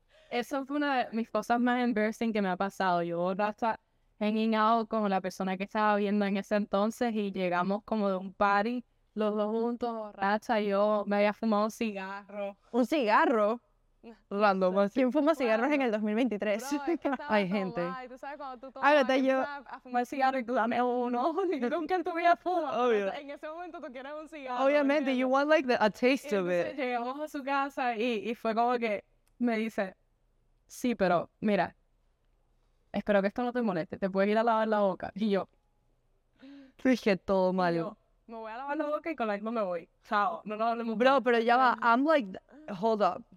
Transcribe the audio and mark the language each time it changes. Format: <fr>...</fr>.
<es>Eso fue una de mis cosas más embarrassing que me ha pasado. Yo borracha</es> <en>hanging out</en> <es>con la persona que estaba viendo en ese entonces y llegamos como de un party, los dos juntos, borracha, yo me había fumado un cigarro. ¿Un cigarro? Random. ¿Quién fuma cigarros en el 2023? Hay gente. Ay, tú sabes cuando tú tomas a fumar cigarro y tú dame uno. Nunca en tu vida fumas. Obvio. En ese momento tú quieres un cigarro.</es> <en>Obviamente, you want like a taste of it.</en> <es>Llegamos a su casa y fue como que me dice, sí, pero mira, espero que esto no te moleste. Te puedes ir a lavar la boca. Y yo, dije todo malo. Me voy a lavar la boca y con la misma me voy. Chao. No lo hablemos.</es> <en>Bro,</en> <es>pero ya va.</es> <en>I'm like, hold up.</en>